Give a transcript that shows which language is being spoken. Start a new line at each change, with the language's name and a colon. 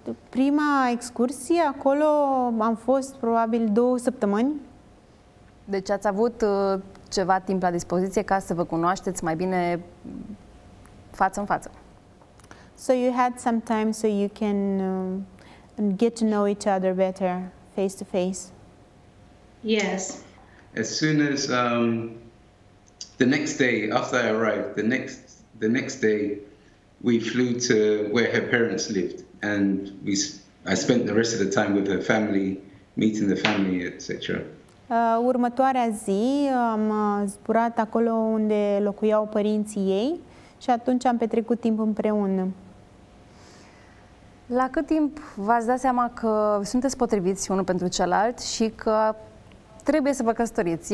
Romanian: Prima excursie acolo am fost probabil 2 săptămâni. Deci ați avut ceva timp la dispoziție ca să vă cunoașteți mai bine față în față.
English: So you had some time so you can get to know each other better face to face. Yes. As soon as the next day after I arrived, the next day we flew to where her parents lived, and I spent the rest of the time with her family, meeting the family, etc.
Romanian: Următoarea zi am zburat acolo unde locuiau părinții ei și atunci am petrecut timp împreună. La cât timp v-ați dat seama că sunteți potriviți unul pentru celălalt și că trebuie să vă căsătoriți?